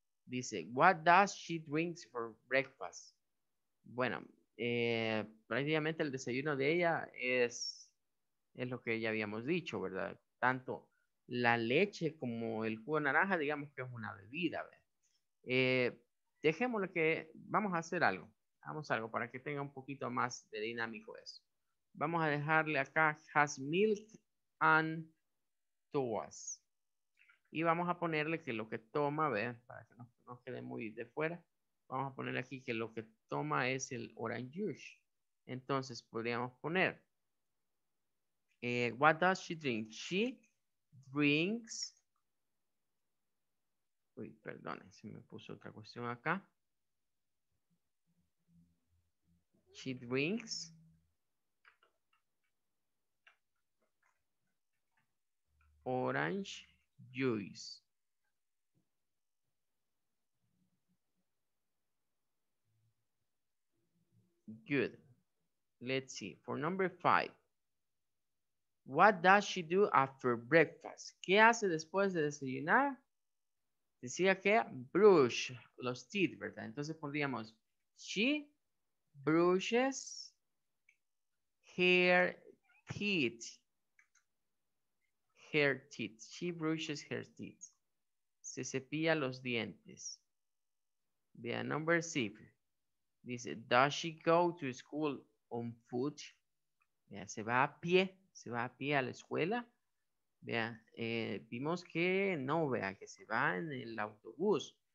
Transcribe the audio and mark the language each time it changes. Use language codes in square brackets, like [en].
[es] Dice, [en] what does she drink for breakfast? [es] Bueno, prácticamente el desayuno de ella es lo que ya habíamos dicho, ¿verdad? Tanto la leche como el jugo de naranja, digamos que es una bebida, ¿verdad? Dejémosle que vamos a hacer algo. Hagamos algo para que tenga un poquito más de dinámico eso. Vamos a dejarle acá, [en] has milk and toas. [es] Y vamos a ponerle que lo que toma, ¿verdad? Para que no quede muy de fuera. Vamos a poner aquí que lo que toma es el orange juice. Entonces podríamos poner, [en] what does she drink? She drinks [es] Uy, perdone, se me puso otra cuestión acá. [en] She drinks. Orange juice. Good. Let's see. For number five. What does she do after breakfast? [es] ¿Qué hace después de desayunar? Decía que [en] brush los teeth, [es] ¿verdad? Entonces pondríamos [en] she brushes her teeth. Her teeth. She brushes her teeth. [es] Se cepilla los dientes. Vea, [en] number six. [es] Dice, [en] does she go to school on foot? [es] Vea, se va a pie. Se va a pie a la escuela. Vea, vimos que no, vea, que se va en el autobús.